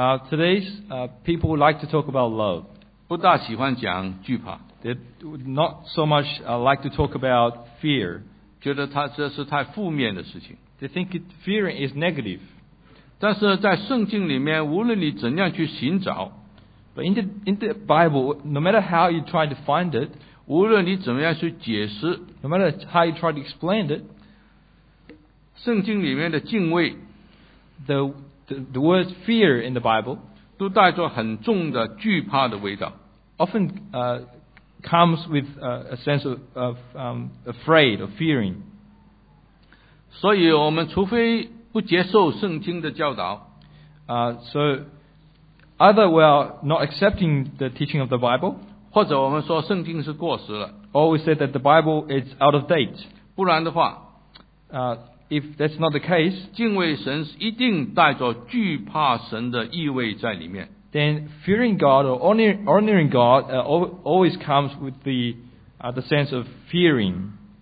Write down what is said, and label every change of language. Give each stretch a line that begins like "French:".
English: Today's people like to talk about love.
Chinese: 不大喜欢讲惧怕。
English: They would not so much like to talk about fear.
Chinese: 觉得它这是太负面的事情。
English: They think fear is negative.
Chinese: 但是在圣经里面，无论你怎样去寻找。
English: But in the Bible, no matter how you try to find it,
Chinese: 无论你怎么样去解释,
English: no matter how you try to explain it,
Chinese: 圣经里面的敬畏,
English: the word fear in the Bible,
Chinese: 都带着很重的惧怕的味道,
English: often comes with a sense of afraid or fearing.
Chinese: 所以我们除非不接受圣经的教导,
English: so,Either we are not accepting the teaching of the Bible,
Chinese: 或者我们说圣经是过时了,
English: or we say that the Bible is out of date.
Chinese: 不然的话,
English: If that's not the case,
Chinese: 敬畏神一定带着惧怕神的意味在里面。
English: Then fearing God or honoring God always comes with the sense of fearing.